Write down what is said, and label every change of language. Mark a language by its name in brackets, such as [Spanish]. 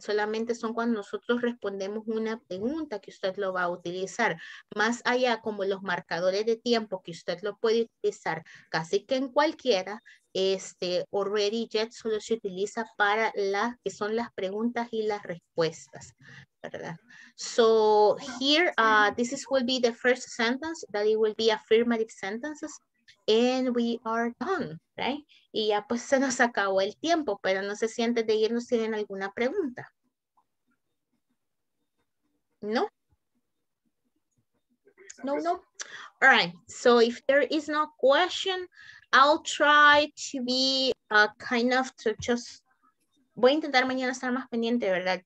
[Spanish] Solamente son cuando nosotros respondemos una pregunta que usted lo va a utilizar. Más allá, como los marcadores de tiempo, que usted lo puede utilizar casi que en cualquiera, already yet solo se utiliza para las que son las preguntas y las respuestas, ¿verdad? [English] So here, this is, will be the first sentence, that it will be affirmative sentences. And we are done, right? [Spanish] Y ya pues se nos acabó el tiempo, pero no sé si antes de irnos tienen alguna pregunta. No? [English] No, no. All right, so if there is no question, I'll try to be a kind of to just, [Spanish] voy a intentar mañana estar más pendiente, ¿verdad?